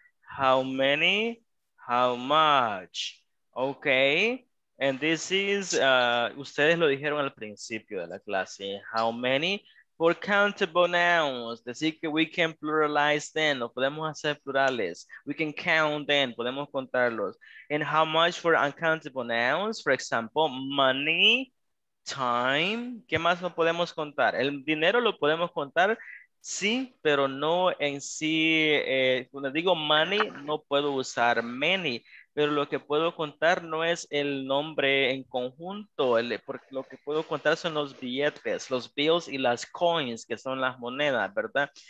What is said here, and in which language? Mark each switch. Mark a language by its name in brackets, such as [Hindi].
[English] How many, how much. Ok. And this is, [Spanish] ustedes lo dijeron al principio de la clase, [English] how many for countable nouns. [Spanish] Decir que [English] we can pluralize them, [Spanish] lo podemos hacer plurales. [English] We can count them, [Spanish] podemos contarlos. [English] And how much for uncountable nouns, for example, money, time. [Spanish] ¿Qué más lo podemos contar? El dinero lo podemos contar, sí, pero no en sí. Cuando digo money, no puedo usar many. Pero lo que puedo contar no es el nombre en conjunto, el, porque lo que puedo contar son los billetes, los bills y las coins, que son las monedas, ¿verdad?